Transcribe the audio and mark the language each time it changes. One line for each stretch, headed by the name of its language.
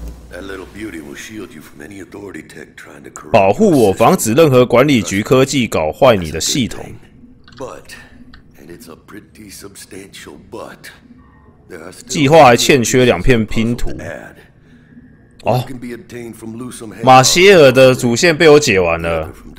English: That little beauty will shield you from any authority tech trying to corrupt.
Chinese: 保护我，防止任何管理局科技搞坏你的系统。
English: But, and it's a pretty substantial but.
Chinese: 计划还欠缺两片拼图。哦，马歇尔的主线被我解完了。